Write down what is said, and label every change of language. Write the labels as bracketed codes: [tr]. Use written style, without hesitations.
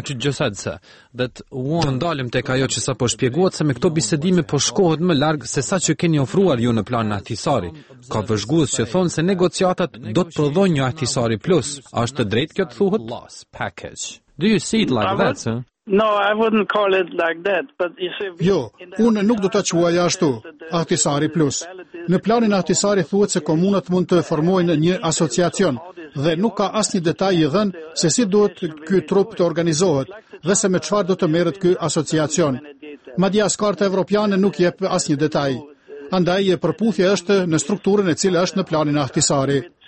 [sq] Të ndalim tek ajo që sa po shpjeguat se me këto bisedime po shkohet më larg se sa që keni ofruar ju në planin Ahtisari. Ka vëzhgues që thonë se negociatat do të prodhojnë një Ahtisari plus. A është të drejtë kjo të thuhet? [en] Do you see it like that, sir? No, I wouldn't call it like that, but you see, [sq] jo, unë nuk do ta quaj ashtu, Ahtisari plus. Në planin Ahtisari thuhet se komunat mund të formojnë një asociacion dhe nuk ka asnjë detaj i dhënë se si duhet ky trup të organizohet dhe se me çfarë do të merret ky asociacion. Madje as karta evropiane nuk jep asnjë detaj. Andaj e përputhja është në strukturën e cila është në planin Ahtisari.